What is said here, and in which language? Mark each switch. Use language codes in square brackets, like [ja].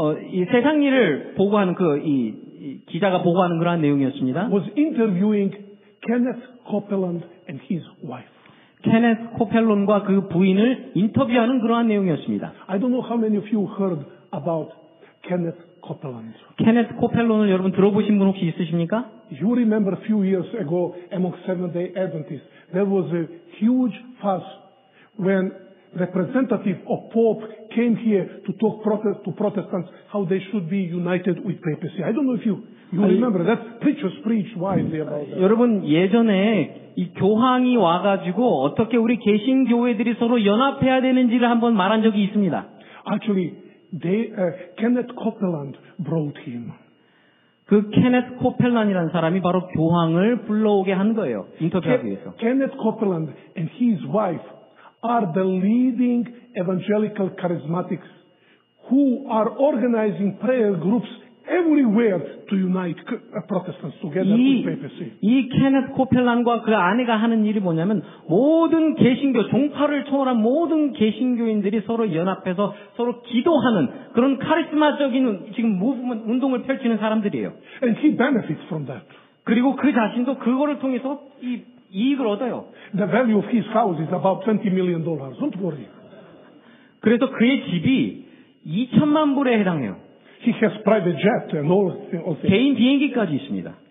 [ko] 이 세상 일을 보고하는 그 이 기자가 보고하는 그런 내용이었습니다. [en] Was interviewing Kenneth Copeland and his wife. [ko] 케네스 코펠론과 그 부인을 인터뷰하는 그러한 내용이었습니다. [en] I don't know how many of you heard about Kenneth Copeland. [ko] 케네스 코펠론을 여러분 들어보신 분 혹시 있으십니까? [en] You remember a few years ago among Seventh-day Adventists, there was a huge fuss when representative of Pope came here to talk to Protestants how they should be united with papacy. I don't know if you remember that preachers preached widely about that. [ko] 여러분 예전에 이 교황이 와가지고 어떻게 우리 개신교회들이 서로 연합해야 되는지를 한번 말한 적이 있습니다. [en] Actually, Kenneth Copeland brought him. [ko] 그 케네스 코펠란이라는 사람이 바로 교황을 불러오게 한 거예요. 인터뷰하기 위해서. [en] Kenneth Copeland and his wife are the leading evangelical charismatics who are organizing prayer groups everywhere to unite Protestants together with papacy. [ko] 이 케네스 코펠란과 그 아내가 하는 일이 뭐냐면 모든 개신교 종파를 초월한 모든 개신교인들이 서로 연합해서 서로 기도하는 그런 카리스마적인 지금 무브먼트 운동을 펼치는 사람들이에요. [en] And he benefits from that. [ko] 그리고 그 자신도 그거를 통해서 이 이익을 얻어요. [en] The value of his house is about $20 million. Don't worry. [ko] 그래서 그의 집이 2천만 불에 해당해요. [en] He has private jet and all things. [ko] 개인 비행기까지 있습니다.